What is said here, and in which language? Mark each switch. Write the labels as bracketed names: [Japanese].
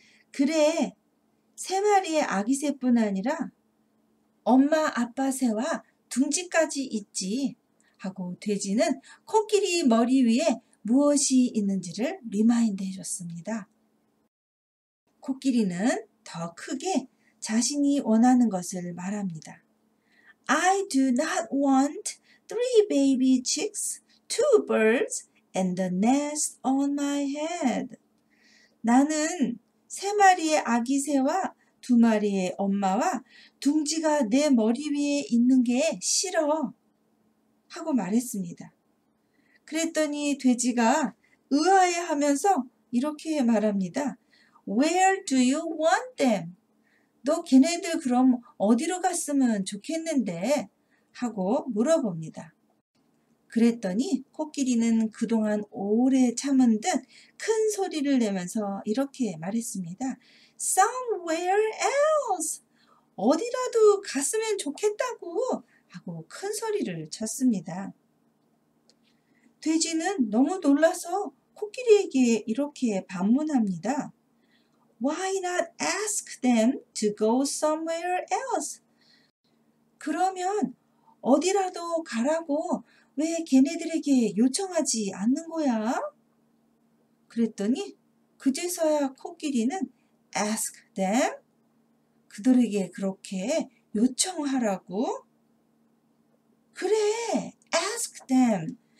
[Korean] 그래, 세 마리의 아기 새뿐 아니라 엄마, 아빠 새와 둥지까지 있지. 하고 돼지는 코끼리 머리 위에 무엇이 있는지를 리마인드 해줬습니다. 코끼리는 더 크게 자신이 원하는 것을 말합니다. [English] I do not want three baby chicks, two birds, and the nest on my head. [Korean] 나는 세 마리의 아기 새와 두 마리의 엄마와 둥지가 내 머리 위에 있는 게 싫어. 하고 말했습니다. 그랬더니 돼지가 의아해 하면서 이렇게 말합니다. [English] Where do you want them? [Korean] 너 걔네들 그럼 어디로 갔으면 좋겠는데? 하고 물어봅니다. 그랬더니 코끼리는 그동안 오래 참은 듯큰 소리를 내면서 이렇게 말했습니다. [English] Somewhere else. [Korean] 어디라도 갔으면 좋겠다고 하고 큰 소리를 쳤습니다. 돼지는 너무 놀라서 코끼리에게 이렇게 반문합니다. [English] Why not ask them to go somewhere else? [Korean] 그러면 어디라도 가라고 왜 걔네들에게 요청하지 않는 거야? 그랬더니 그제서야 코끼리는 [English] Ask them? [Korean] 그들에게 그렇게 요청하라고? 그래, [English] ask them.